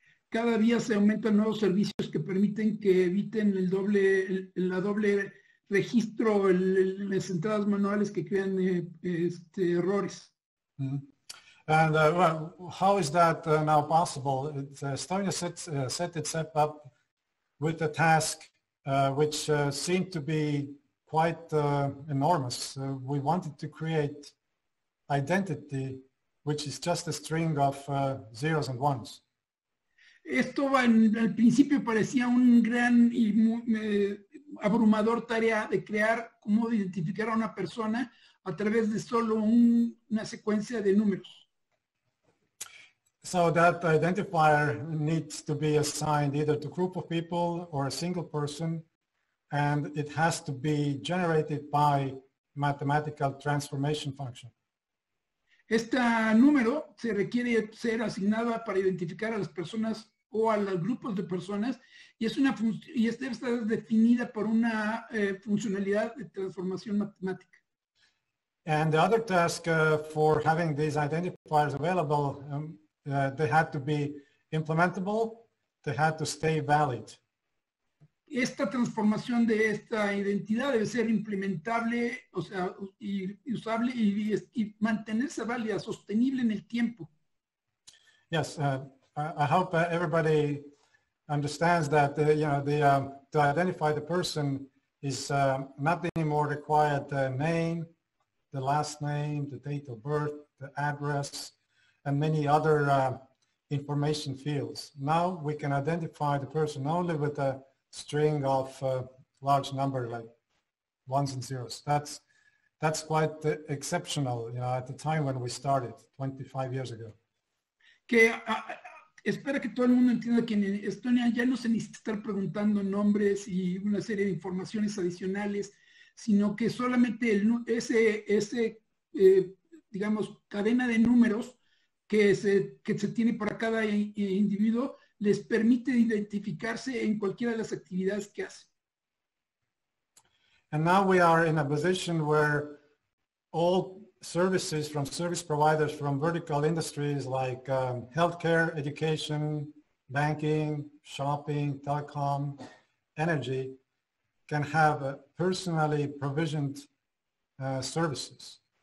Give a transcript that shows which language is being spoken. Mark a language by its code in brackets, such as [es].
[es] Cada día se aumentan nuevos servicios que permiten que eviten la doble registro, las entradas manuales que crean errores. Mm-hmm. [en] And how is that now possible? Estonia set itself up with a task which seemed to be quite enormous. We wanted to create identity, which is just a string of zeros and ones. [es] Esto al principio parecía un gran y abrumador tarea de crear cómo identificar a una persona a través de solo una secuencia de números. [en] So that identifier needs to be assigned either to a group of people or a single person, and it has to be generated by mathematical transformation function. [es] Este número se requiere ser asignado para identificar a las personas o a los grupos de personas, y es una y esta está definida por una funcionalidad de transformación matemática. [en] And the other task for having these identifiers available, they had to be implementable, they had to stay valid. [es] Esta transformación de esta identidad debe ser implementable, o sea, y usable y mantenerse válida, sostenible en el tiempo. [en] Yes, I hope everybody understands that to identify the person is not anymore required the name, the last name, the date of birth, the address, and many other information fields. Now we can identify the person only with a string of large number like ones and zeros. That's quite exceptional, at the time when we started 25 years ago. [es] Que espero que todo el mundo entienda que en Estonia ya no se necesita estar preguntando nombres y una serie de informaciones adicionales, sino que solamente ese cadena de números que se tiene para cada individuo les permite identificarse en cualquiera de las actividades que hace. [en] And now we are in a position where all services from service providers from vertical industries like healthcare, education, banking, shopping, telecom, energy can have personally provisioned services.